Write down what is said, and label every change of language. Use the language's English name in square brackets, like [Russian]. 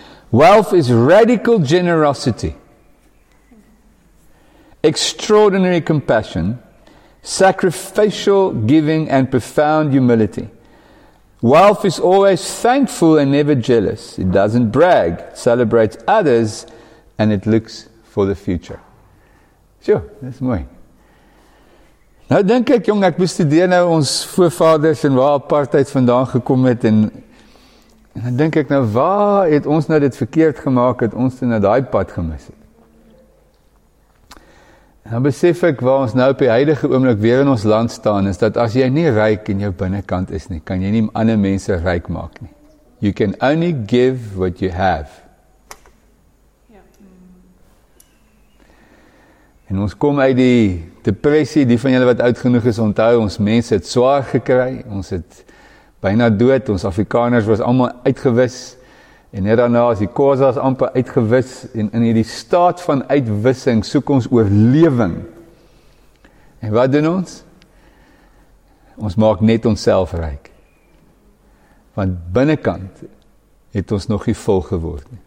[English] Wealth is radical generosity, extraordinary compassion, sacrificial giving and profound humility. Wealth is always thankful and never jealous. It doesn't brag, it celebrates others, and it looks for the future. [Afrikaans] Tjoe, dit is mooi. Nou denk ek, jong, ek bestudeer nou ons voorvaders en waar apartheid vandaan gekom het en dan denk ek nou, waar het ons nou dit verkeerd gemaakt, het ons toe nou die pad gemis het? En dan besef ek waar ons nou op die huidige oomblik weer in ons land staan, is dat as jy nie ryk in jou binnenkant is nie, kan jy nie ander mense ryk maak nie. [English] You can only give what you have. [Afrikaans] En ons kom uit die depressie, die van julle wat oud genoeg is, onthou, ons mense het swaar gekry, ons het byna dood, ons Afrikaners was allemaal uitgewis, En net daarna is die Kozas amper uitgewis en in hierdie staat van uitwissing soek ons oorlewing. En wat doen ons? Ons maak net onsself ryk. Want binnenkant het ons nog nie vol geword.